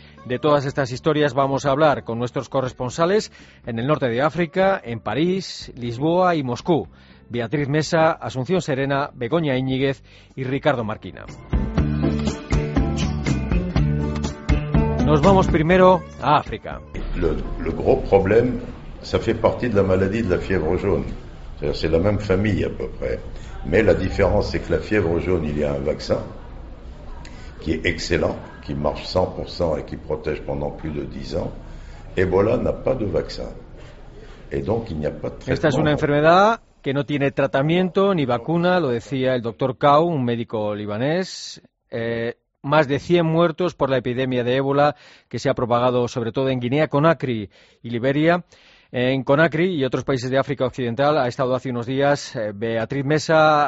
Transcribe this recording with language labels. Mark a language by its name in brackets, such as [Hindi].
[Spanish] De todas estas historias vamos a hablar con nuestros corresponsales en el norte de África, en París, Lisboa y Moscú. Beatriz Mesa, Asunción Serena, Begoña Íñiguez y Ricardo Marquina. Nos vamos primero a África. [French] Le gros problème, ça fait partie de la maladie de la fiebre jaune. C'est la même famille à peu près. Mais la différence, c'est que la fièvre jaune, il y a un vaccin qui est excellent, qui marche 100% et qui protège pendant plus de 10 ans. Ebola n'a pas de vaccin. Et donc, il n'y a pas de traitement. [Spanish] Esta es una enfermedad que no tiene tratamiento ni vacuna, lo decía el doctor Kau, un médico libanés. Más de 100 muertos por la epidemia de ébola que se ha propagado sobre todo en Guinea, Conakry y Liberia. En Conakry y otros países de África Occidental ha estado hace unos días Beatriz Mesa.